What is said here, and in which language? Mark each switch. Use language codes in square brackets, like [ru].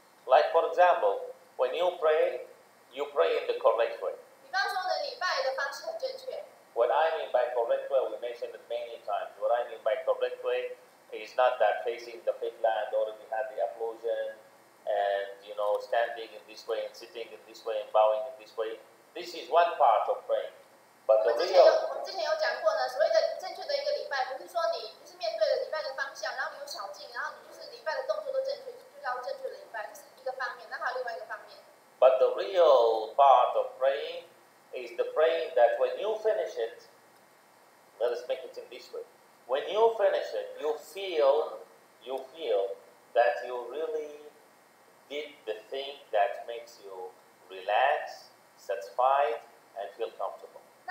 [en] Like for example, when you pray in the correct way. [zh] 比方说呢，礼拜的方式很正确。 [en] What I mean by correct way, we mentioned it many times. What I mean by correct way is not that facing the qibla and already had the ablution and, you know, standing in this way and sitting in this way and bowing in this way. This is one part of praying. But the real... [zh] 我们之前有讲过呢，所谓的正确的一个礼拜，不是说你就是面对着礼拜的方向，然后你有小静，然后你就是礼拜的动作都正确，就叫正确的礼拜，这是一个方面。那还有另外一个方面。 [en] But the real part of praying is the praying that when you finish it, let us make it in this way. When you finish it, you feel that you really did the thing that makes you relax, satisfied, and feel comfortable.